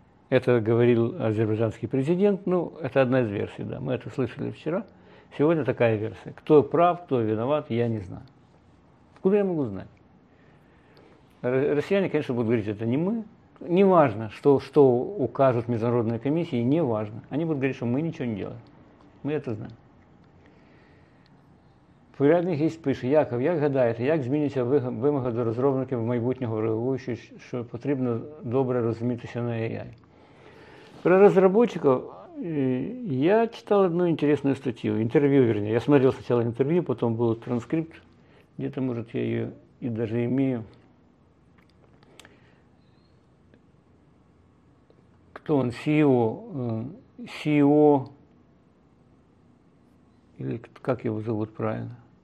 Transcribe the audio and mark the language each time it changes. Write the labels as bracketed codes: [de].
[ru] Это говорил азербайджанский президент. Ну, это одна из версий, да. Мы это слышали вчера. Сегодня такая версия. Кто прав, кто виноват, я не знаю. Откуда я могу знать? Россияне, конечно, будут говорить, это не мы. Неважно, что укажут международные комиссии, неважно. Они будут говорить, что мы ничего не делаем. Мы это знаем. [uk] Порядник есть пише, Яков, як гадаєте, як зміниться вимога до розробників в майбутнього враховуючи, що потрібно добре розумітися на AI. Про розробників я читав одну цікаву статтю, інтерв'ю, вірніше. [ru] Я смотрел сначала інтерв'ю, [uk] потім був транскрипт, [ru] где-то, [uk] може, я її і [ru] даже имею. Кто он? CEO, или как его зовут правильно?